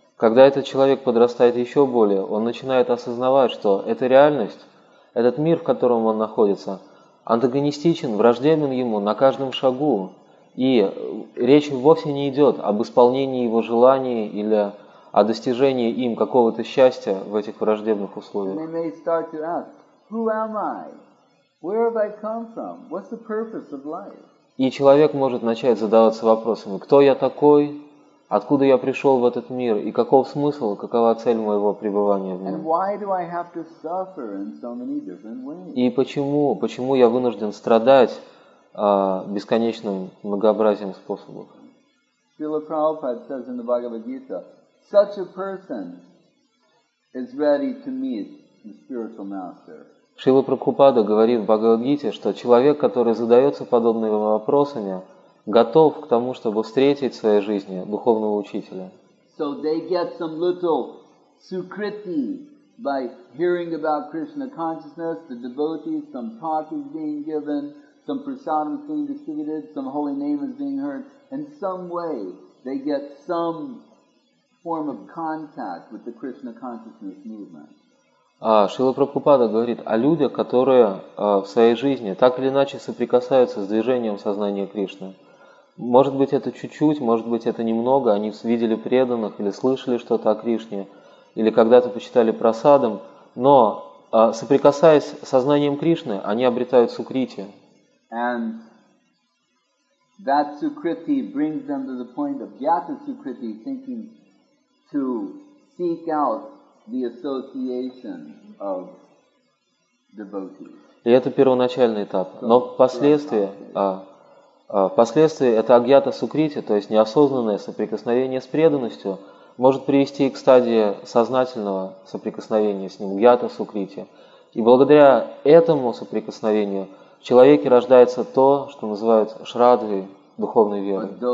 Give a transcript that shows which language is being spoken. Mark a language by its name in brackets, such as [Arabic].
[Russian] Когда этот человек подрастает еще более, он начинает осознавать, что эта реальность, этот мир, в котором он находится, антагонистичен, враждебен ему на каждом шагу, и речь вовсе не идет об исполнении его желаний или о достижении им какого-то счастья в этих враждебных условиях. [English] And they may start to ask, "Who am I? Where have I come from? What's the purpose of life?" [Russian] И человек может начать задаваться вопросами: кто я такой, откуда я пришел в этот мир, и каков смысл, какова цель моего пребывания в нем? И почему я вынужден страдать бесконечным многообразием способов? [English] Шрила Прабхупада says in the Bhagavad Gita, such a person is ready to meet the spiritual master. [Russian] Шрила Прабхупада говорит в Бхагавад-гите, что человек, который задается подобными вопросами, готов к тому, чтобы встретить в своей жизни духовного учителя. [English] So they get some little sukriti by hearing about Krishna consciousness, the devotees, some talk is being given, some prasadam is being distributed, some holy name is being heard. In some way they get some form of contact with the Krishna consciousness movement. [Russian] Шрила Прабхупада говорит о людях, которые в своей жизни так или иначе соприкасаются с движением сознания Кришны. Может быть, это чуть-чуть, может быть, это немного. Они видели преданных или слышали что-то о Кришне, или когда-то почитали прасадам, но соприкасаясь с сознанием Кришны, они обретают сукрити. [English] And that Sukriti brings them to the point of Jata Sukriti, thinking to seek out the association of devotees. [Russian] И это первоначальный этап. Но впоследствии это агьята сукрити, то есть неосознанное соприкосновение с преданностью, может привести к стадии сознательного соприкосновения с ним, агьята сукрити. И благодаря этому соприкосновению в человеке рождается то, что называют шрадхой, духовной верой.